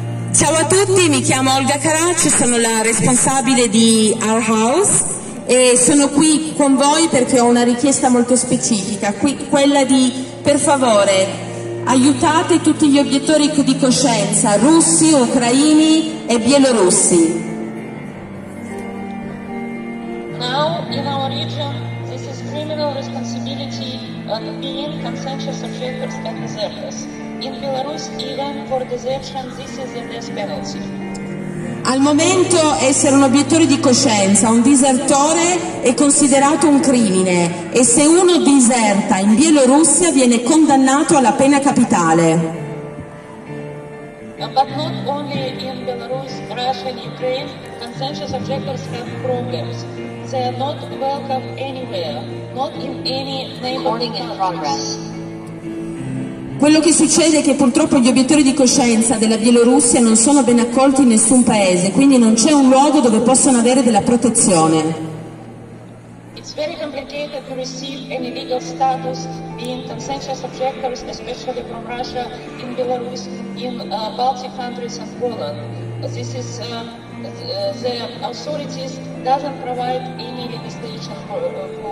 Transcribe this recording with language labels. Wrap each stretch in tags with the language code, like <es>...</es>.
<it>Ciao a tutti, mi chiamo Olga Karaj, sono la responsabile di Our House e sono qui con voi perché ho una richiesta molto specifica, quella di, per favore, aiutate tutti gli obiettori di coscienza, russi, ucraini e bielorussi.</it> <en>Now in our region this is criminal responsibility of being conscientious objectors and deserters. In Belarus, even for desertion, this is the death penalty.</en> <it>Al momento essere un obiettore di coscienza, un disertore, è considerato un crimine e se uno diserta in Bielorussia viene condannato alla pena capitale.</it> <en>But not only in Belarus, Russia and Ukraine, conscientious objectors have problems. They are not welcome anywhere, not in any neighboring countries.</en> <it>Quello che succede è che purtroppo gli obiettori di coscienza della Bielorussia non sono ben accolti in nessun paese, quindi non c'è un luogo dove possano avere della protezione.</it> <en>It's very complicated to receive any legal status in conscientious objectors, especially from Russia, in Belarus, in Baltic countries and Poland. This is the authorities doesn't provide any legislation for them.</en>